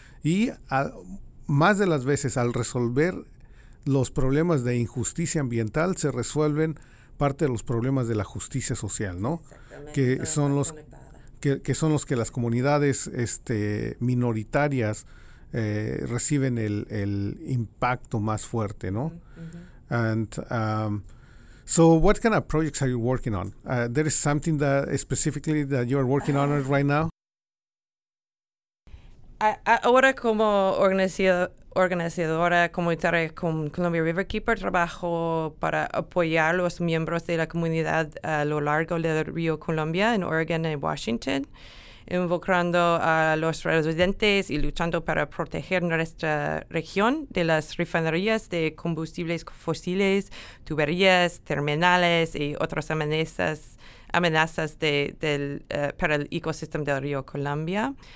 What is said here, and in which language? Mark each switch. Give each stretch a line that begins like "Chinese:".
Spanish: Y más de las veces, al resolver los problemas de injusticia ambiental, se resuelven parte de los problemas de la justicia social, ¿no? Exactamente. Que son los que son los que las comunidades minoritarias reciben el impacto más fuerte, ¿no? Mm-hmm.
English: And so what kind of projects are you working on? There is something that specifically that you are working on right now?
Spanish: Ahora como organizadora comunitaria con Columbia River Keeper, trabajo para apoyar a los miembros de la comunidad a lo largo del río Columbia en Oregon y Washington, involucrando a los residentes y luchando para proteger nuestra región de las refinerías de combustibles fósiles, tuberías, terminales y otras amenazas para el ecosistema del río Columbia.